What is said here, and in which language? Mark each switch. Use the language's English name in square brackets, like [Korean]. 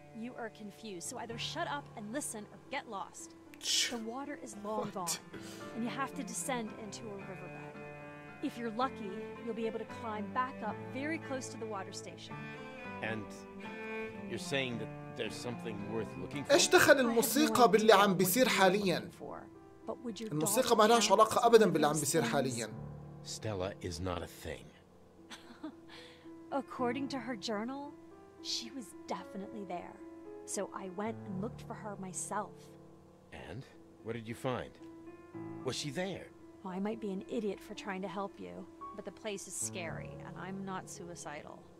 [English] You are confused, so either shut up and listen or get lost. The water is long gone, and you have to descend into a riverbed. If you're lucky, you'll be able to climb back up very close to the water station. And you're saying that there's something worth looking for. [Arabic] ايش دخل الموسيقى باللي عم بيصير حاليا؟ الموسيقى ما لهاش علاقه ابدا باللي عم بيصير حاليا. [English] Stella is not a thing. According to her journal, she was definitely there. So I went and looked for her myself. And what did you find? Was she there? Well, I might be an idiot for trying to help you, but the place is scary and I'm not suicidal.